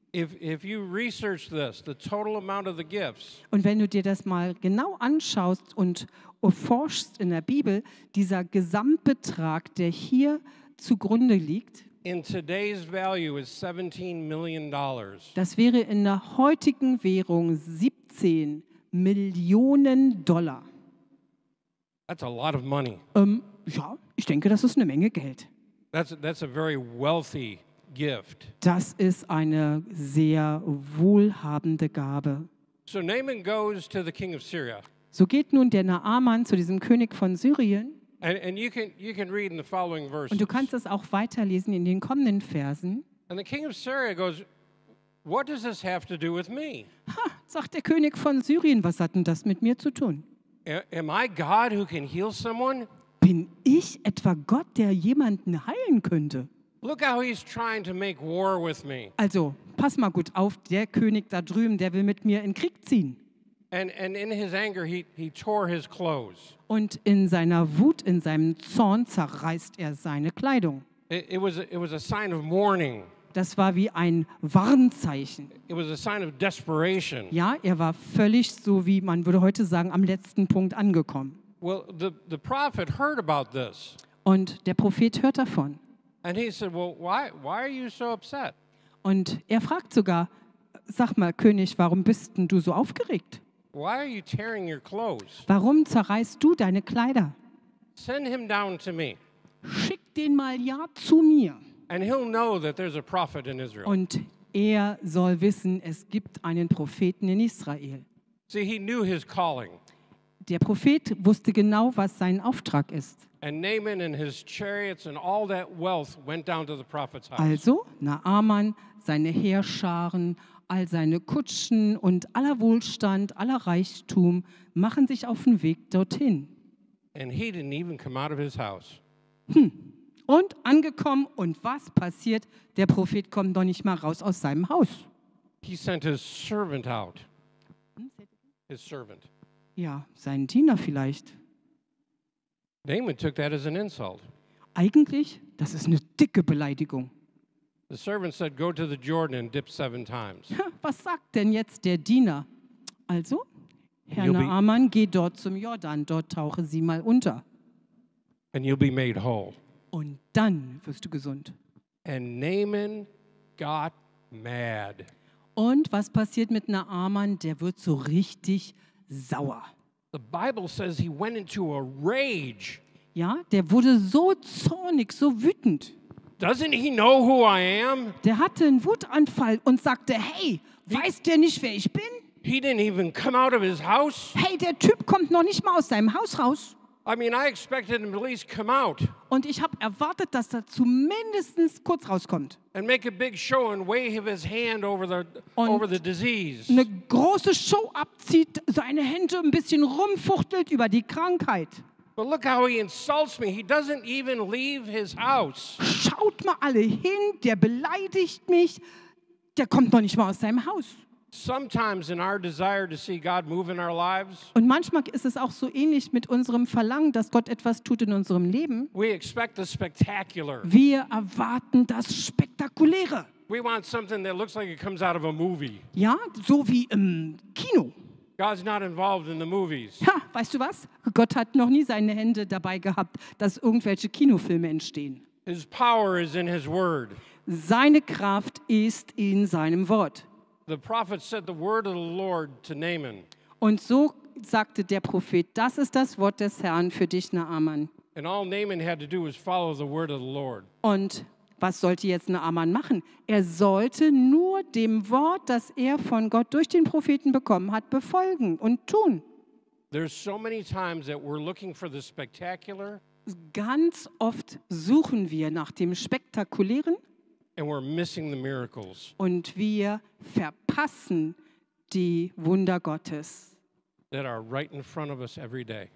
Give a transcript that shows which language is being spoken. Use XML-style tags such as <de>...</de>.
<en>If you research this, the total amount of the gifts.</en> <de>Und wenn du dir das mal genau anschaust und erforschst in der Bibel, dieser Gesamtbetrag, der hier zugrunde liegt.</de> <en>In today's value is $17 million.</en> <de>Das wäre in der heutigen Währung 17 Millionen Dollar.</de> <en>That's a lot of money.</en> <de>Ja, ich denke, das ist eine Menge Geld.</de> <en>That's a very wealthy gift.</en> <de>Das ist eine sehr wohlhabende Gabe.</de> <en>So Naaman goes to the king of Syria.</en> <de>So geht nun der Naaman zu diesem König von Syrien.</de> <en>And you can read in the following verses.</en> <de>Und du kannst es auch weiterlesen in den kommenden Versen.</de> <en>And the king of Syria goes, what does this have to do with me?</en> <de>Ha, sagt der König von Syrien, was hat denn das mit mir zu tun?</de> <en>Am I God who can heal someone?</en> <de>Bin ich etwa Gott, der jemanden heilen könnte?</de> <en>Look how he's trying to make war with me.</en> <de>Also, pass mal gut auf, der König da drüben, der will mit mir in Krieg ziehen.</de> <en>And in his anger he tore his clothes.</en> <de>Und in seiner Wut, in seinem Zorn zerreißt er seine Kleidung.</de> <en>It was a sign of mourning.</en> <de>Das war wie ein Warnzeichen.</de> <en>It was a sign of desperation.</en> <de>Ja, er war völlig so, wie man würde heute sagen, am letzten Punkt angekommen.</de> <en>Well, the prophet heard about this.</en> <de>Und der Prophet hört davon.</de> <en>And he said, well, why are you so upset?</en> <de>Und er fragt sogar, sag mal, König, warum bist denn du so aufgeregt?</de> <en>Why are you tearing your clothes?</en> <de>Warum zerreißt du deine Kleider?</de> <en>Send him down to me.</en> <de>Schick den mal ja zu mir.</de> <en>And he'll know that there's a prophet in Israel.</en> <de>Und er soll wissen, es gibt einen Propheten in Israel.</de> <en>See, he knew his calling.</en> <de>Der Prophet wusste genau, was sein Auftrag ist.</de> <en>And Naaman and his chariots and all that wealth went down to the prophet's house.</en> <de>Also, Naaman, seine Heerscharen, all seine Kutschen und aller Wohlstand, aller Reichtum machen sich auf den Weg dorthin.</de> <en>And he didn't even come out of his house.</en> <de>Und angekommen, und was passiert? Der Prophet kommt doch nicht mal raus aus seinem Haus.</de> <en>He sent his servant out. His servant.</en> <de>Ja, seinen Diener vielleicht.</de> <en>Naaman took that as an insult.</en> <de>Eigentlich, das ist eine dicke Beleidigung.</de> <en>The servant said, go to the Jordan and dip 7 times.</en> <de>Was sagt denn jetzt der Diener? Also, Herr Naaman, geh dort zum Jordan, dort tauche sie mal unter.</de> <en>And you'll be made whole.</en> <de>Und dann wirst du gesund.</de> <en>And Naaman got mad.</en> <de>Und was passiert mit Naaman? Der wird so richtig sauer.</de> <en>The Bible says he went into a rage.</en> <de>Ja, der wurde so zornig, so wütend.</de> <en>Doesn't he know who I am?</en> <de>Der hatte einen Wutanfall und sagte, hey, weißt du nicht, wer ich bin?</de> <en>He didn't even come out of his house.</en> <de>Hey, der Typ kommt noch nicht mal aus seinem Haus raus.</de> <en>I mean, I expected him to at least come out.</en> <de>Und ich habe erwartet, dass er zumindest kurz rauskommt.</de> <en>And make a big show and wave his hand over the disease.</en> <de>Eine große Show abzieht, seine Hände ein bisschen rumfuchtelt über die Krankheit.</de> <en>But look how he insults me. He doesn't even leave his house.</en> <de>Schaut mal alle hin, der beleidigt mich. Der kommt noch nicht mal aus seinem Haus.</de> <en>Sometimes in our desire to see God move in our lives.</en> <de>Und manchmal ist es auch so ähnlich mit unserem Verlangen, dass Gott etwas tut in unserem Leben.</de> <en>We expect the spectacular.</en> <de>Wir erwarten das Spektakuläre.</de> <en>We want something that looks like it comes out of a movie.</en> <de>Ja, so wie im Kino.</de> <en>God's not involved in the movies.</en> <de>Ha, weißt du was? Gott hat noch nie seine Hände dabei gehabt, dass irgendwelche Kinofilme entstehen.</de> <en>His power is in his word.</en> <de>Seine Kraft ist in seinem Wort.</de> <en>The prophet said the word of the Lord to Naaman.</en> <de>Und so sagte der Prophet, das ist das Wort des Herrn für dich, Naaman.</de> <en>And all Naaman had to do was follow the word of the Lord.</en> <de>Und was sollte jetzt Naaman machen? Er sollte nur dem Wort, das er von Gott durch den Propheten bekommen hat, befolgen und tun.</de> <en>There's so many times that we're looking for the spectacular.</en> <de>Ganz oft suchen wir nach dem Spektakulären.</de> <en>And we're missing the miracles.</en> <de>Und wir verpassen die Wunder Gottes.</de> <en>That are right in front of us every day.</en>